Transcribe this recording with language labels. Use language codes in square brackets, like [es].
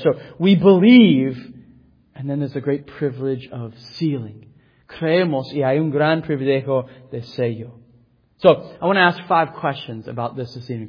[en] So we believe, and then there's a great privilege of sealing. [es] Creemos y hay un gran privilegio de sello. [en] So, I want to ask 5 questions about this evening.